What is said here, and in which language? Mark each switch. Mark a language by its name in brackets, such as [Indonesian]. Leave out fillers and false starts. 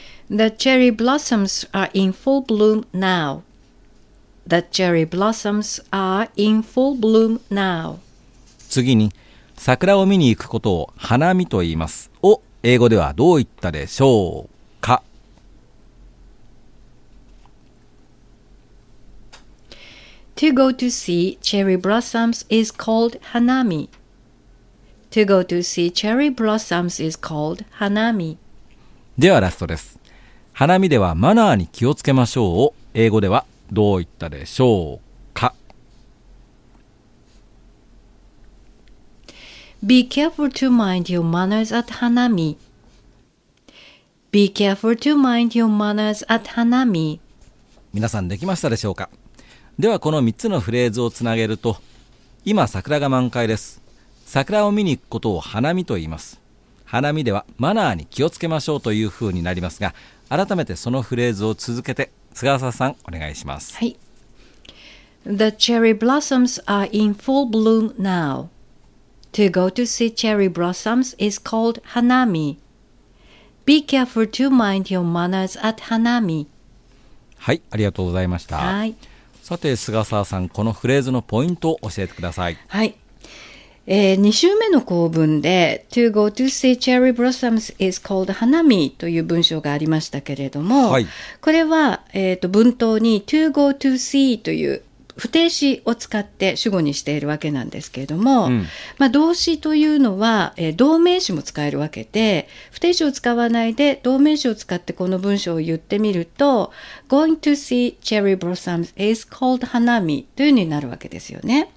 [English] The cherry blossoms are in full bloom now. The cherry blossoms are in full bloom now. [Japanese] 次に、桜を見に行くことを花見と言います。を英語ではどう言ったでしょうか？ [English] To go to see cherry blossoms is called hanami. To go to see cherry blossoms is called hanami. [Japanese] ではラストです。花見ではマナーに気をつけましょうを英語ではどう言ったでしょうか？ [English] Be careful to mind your manners at Hanami. Be careful to mind your manners at Hanami. [Japanese] 皆さんできましたでしょうか？ではこの3つのフレーズをつなげると、今桜が満開です、桜を見に行くことを花見と言います、花見ではマナーに気をつけましょうというふうになりますが、改めてそのフレーズを続けて菅沢さんお願いします。はい。 [English] The cherry blossoms are in full bloom now. To go to see cherry blossoms is called hanami. Be careful to mind your manners at hanami. [Japanese] はい、ありがとうございました。はい。さて菅沢さん、このフレーズのポイントを教えてください。はい、2週目の構文で [English] To go to see cherry blossoms is called hanami [Japanese] という文章がありましたけれども、はい、これは、文頭に [English] To go to see [Japanese] という不定詞を使って主語にしているわけなんですけれども、うん、まあ、動詞というのは、動名詞も使えるわけで、不定詞を使わないで動名詞を使ってこの文章を言ってみると [English] Going to see cherry blossoms is called hanami [Japanese] というようになるわけですよね。